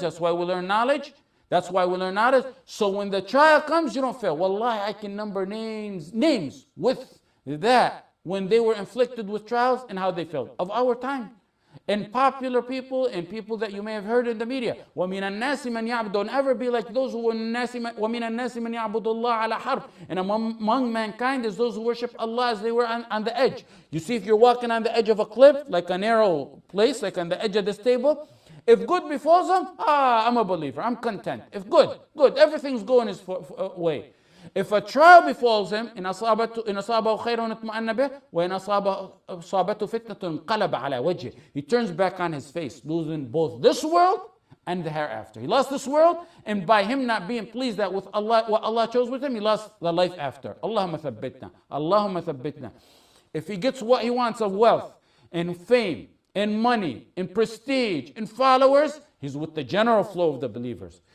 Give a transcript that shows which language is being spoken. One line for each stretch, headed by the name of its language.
English: That's why we learn knowledge. That's why we learn knowledge. So when the trial comes, you don't fail. Wallahi, I can number names with that when they were inflicted with trials and how they failed of our time. And popular people and people that you may have heard in the media.
Arabic: وَمِنَ النَّاسِ مَنْ يَعْبُدُ.
English: Don't ever be like those who
Arabic: وَمِنَ النَّاسِ مَنْ يَعْبُدُ اللَّهَ عَلَى حَرْبٍ.
English: And among mankind is those who worship Allah as they were on the edge. You see, if you're walking on the edge of a cliff, like a narrow place, like on the edge of this table, if good befalls them, I'm a believer, I'm content. If good, everything's going his way. If a trial befalls him,
Arabic: إِنْ أَصَابَهُ خَيْرٌ اطْمَأَنَّ بِهِ وَإِنْ أَصَابَتُ فِتْنَةٌ قَلَبَ عَلَى وَجْهِهِ.
English: He turns back on his face, losing both this world and the hereafter. He lost this world, and by him not being pleased that with Allah, what Allah chose with him, he lost the life after.
Arabic: اللهم ثبتنا. اللهم ثبتنا.
English: If he gets what he wants of wealth and fame and money and prestige and followers, he's with the general flow of the believers.